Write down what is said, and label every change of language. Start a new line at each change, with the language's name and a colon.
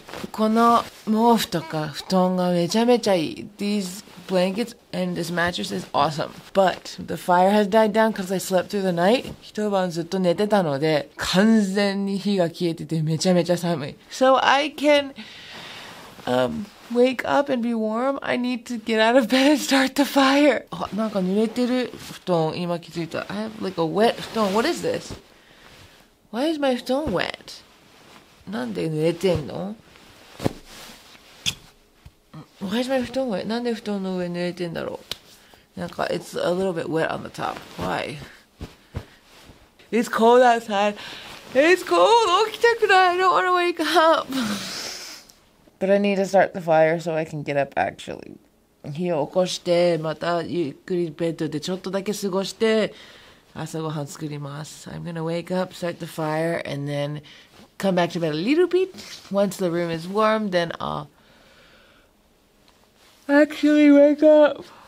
Japanese: この毛布とか布団がめちゃめちゃいい。
English: These blankets and this mattress is awesome. But the fire has died down because I slept through the night.
Japanese: 一晩ずっと寝てたので、完全に火が消えててめちゃめちゃ寒い。
English: So I can, wake up and be warm. I need to get out of bed and start the fire.
Japanese: なんか濡れてる布団今気づいた。
English: I have like a wet 布団.What is this? Why is my 布団 wet?
Japanese: なんで濡れてんの?
English: Why is my 布団 wet?
Japanese: なんで布団の上濡れてんだろう?
English: なんか it's a little bit wet on the top. Why? It's cold outside. It's cold!
Japanese: 起きたくない!
English: I don't want to wake up. But I need to start the fire so I can get up actually.
Japanese: 火を起こして、またゆっくりベッドでちょっとだけ過ごして、朝ごはん作ります。
English: I'm gonna wake up, start the fire, and then come back to bed a little bit. Once the room is warm, then I'll actually wake up.